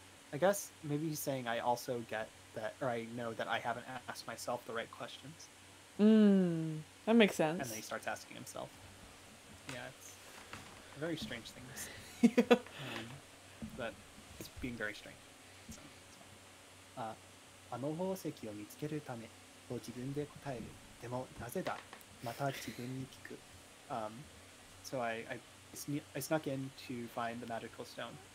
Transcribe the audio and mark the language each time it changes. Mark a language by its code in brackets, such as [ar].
[en] I guess maybe he's saying I also get that, or I know that I haven't asked myself the right questions. That makes sense. And then he starts asking himself. Yeah, it's a very strange thing to say. but it's being very strange. [ja] あの宝石を見つけるためと自分で答える。でもなぜだ？また自分に聞く。 [en] So I snuck in to find the magical stone.